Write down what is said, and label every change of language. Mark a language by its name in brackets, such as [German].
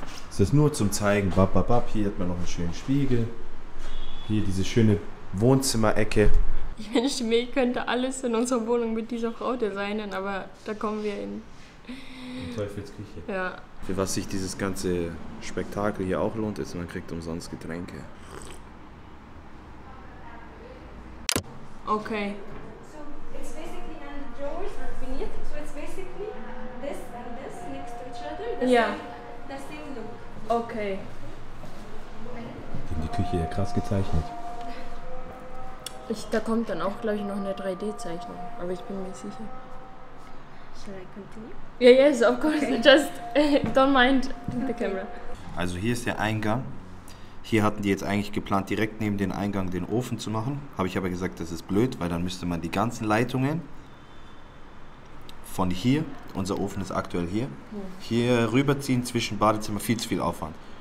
[German] Es ist nur zum Zeigen, hier hat man noch einen schönen Spiegel. Hier diese schöne Wohnzimmerecke. Ich wünschte mir, ich könnte alles in unserer Wohnung mit dieser Frau designen, aber da kommen wir in Teufelsküche. Ja. Für was sich dieses ganze Spektakel hier auch lohnt, ist, man kriegt umsonst Getränke. Okay. [English] So, it's basically an drawers are finished. So it's basically this and this next to each other. The same look. Okay. [German] Die Küche ja krass gezeichnet. Da kommt dann auch, glaube ich, noch eine 3D-Zeichnung, aber ich bin mir sicher. [English] Shall I continue? Yeah, yes, of course. Okay. Just don't mind the camera. [German] Also hier ist der Eingang. Hier hatten die jetzt eigentlich geplant, direkt neben den Eingang den Ofen zu machen. Habe ich aber gesagt, das ist blöd, weil dann müsste man die ganzen Leitungen von hier, unser Ofen ist aktuell hier, hier rüberziehen zwischen Badezimmer, viel zu viel Aufwand.